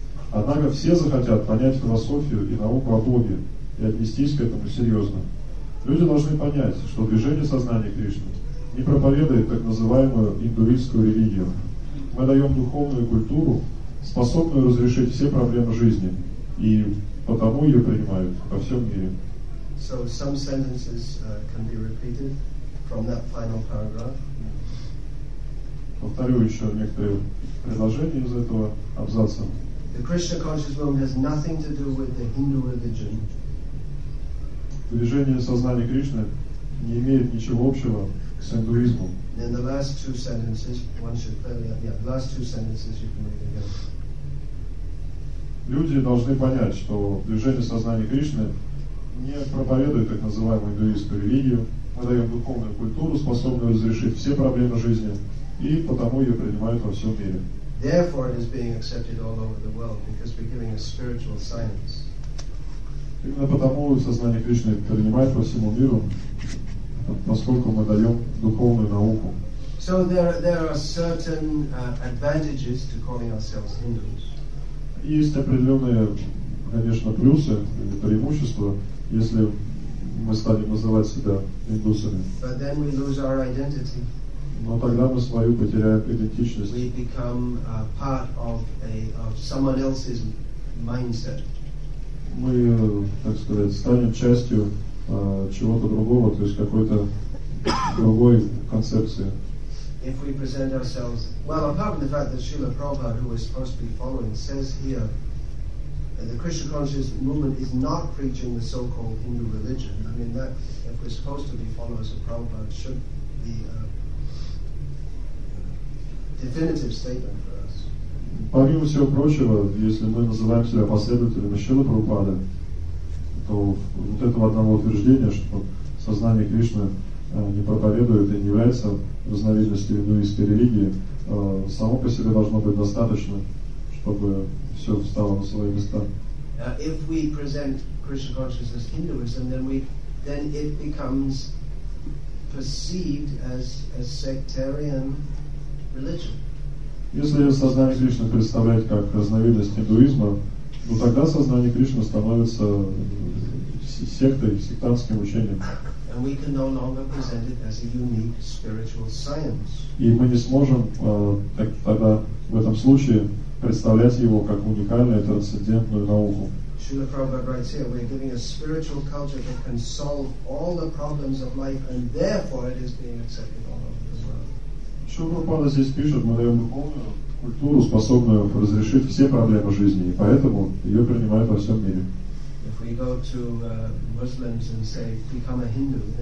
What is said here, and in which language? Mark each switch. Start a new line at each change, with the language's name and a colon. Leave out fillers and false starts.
Russian: Однако все захотят понять философию и науку о Боге и отнестись к этому серьезно. Люди должны понять, что движение сознания Кришны не проповедует так называемую индуистскую религию. Мы даем духовную культуру, способную разрешить все проблемы жизни, и потому ее принимают во всем мире.
English: So some sentences can be repeated from that final paragraph.
Russian: Повторю еще некоторые предложения из этого абзаца.
English: The Krishna conscious movement has nothing to do with the Hindu religion.
Russian: Движение сознания Кришны не имеет ничего общего с индуизмом.
English: Then the last two sentences, one should clearly, yeah, the last two sentences you can read again.
Russian: Люди должны понять, что движение сознания Кришны не проповедует так называемую индуистскую религию. Мы даем духовную культуру, способную разрешить все проблемы жизни, и потому ее принимают во всем мире.
English: Therefore it is being accepted all over the world, because we're giving a spiritual science.
Russian: Именно потому сознание Кришны принимают по всему миру, поскольку мы даем духовную науку.
English: So there are certain advantages to calling ourselves Hindus.
Russian: Есть определенные, конечно, плюсы или преимущества, если мы станем называть себя индусами.
English: But then we lose our identity.
Russian: Но тогда мы свою потеряем идентичность.
English: We become a part of someone else's mindset.
Russian: Мы, так сказать, станем частью чего-то другого, то есть какой-то другой концепции.
English: If we present ourselves, well, apart from the fact that Srila Prabhupada, who we're supposed to be following, says here that the Krishna conscious movement is not preaching the so-called Hindu religion. I mean, that if we're supposed to be followers of Prabhupada, should be a definitive statement for us.
Russian: Помимо всего прочего, если мы называем себя последователями Шрилы Прабхупады, то вот этого одного утверждения, что сознание Кришны не проповедует и не является разновидностью индуистской религии, само по себе должно быть достаточно, чтобы все встало на свои места.
English: If we present Krishna consciousness as Hinduism, then it becomes perceived as a sectarian religion.
Russian: Если сознание Кришны представляет как разновидность индуизма, ну тогда сознание Кришны становится сектой, сектантским учением.
English: And we can no longer present it as a unique spiritual science.
Russian: И мы не сможем тогда в этом случае представлять его как уникальную трансцендентную науку.
English: Srila Prabhupada writes here, we're giving a spiritual culture that can solve all the problems of life, and therefore it is being accepted all over the world.
Russian: Srila Prabhupada здесь пишет, мы даем духовную культуру, способную разрешить все проблемы жизни, и поэтому ее принимают во всем мире.
English: If we go to Muslims and say, become a Hindu,